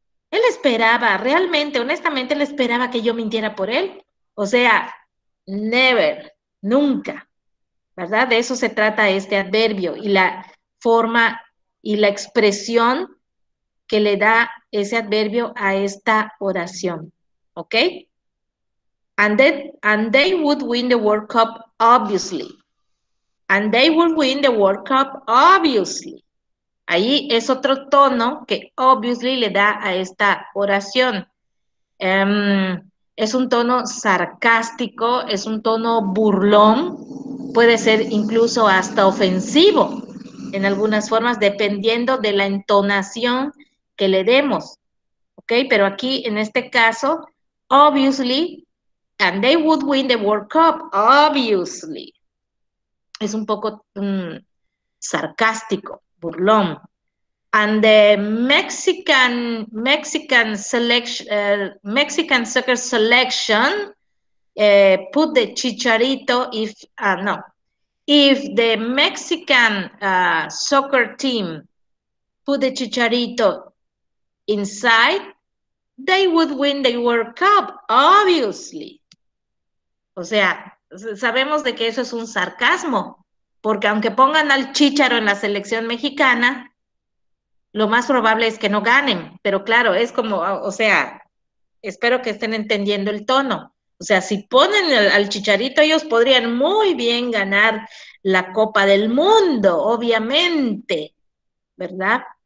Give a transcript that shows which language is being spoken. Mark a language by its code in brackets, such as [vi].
[es] Él esperaba, realmente, honestamente, él esperaba que yo mintiera por él. O sea, never, nunca. ¿Verdad? De eso se trata este adverbio y la forma y la expresión que le da ese adverbio a esta oración. ¿Ok? [en] And they would win the World Cup, obviously. And they would win the World Cup, obviously. [es] Ahí es otro tono que obviously le da a esta oración. Es un tono sarcástico, es un tono burlón. Puede ser incluso hasta ofensivo en algunas formas, dependiendo de la entonación que le demos, ¿ok? Pero aquí, en este caso, [en] obviously, and they would win the World Cup, obviously. [es] Es un poco sarcástico, burlón. [en] And the Mexican soccer selection put the chicharito if the Mexican soccer team put the chicharito inside, they would win the World Cup, obviously. [es] O sea, sabemos de que eso es un sarcasmo, porque aunque pongan al chícharo en la selección mexicana, lo más probable es que no ganen. Pero claro, es como, o sea, espero que estén entendiendo el tono. O sea, si ponen al chicharito, ellos podrían muy bien ganar la Copa del Mundo, obviamente, ¿verdad?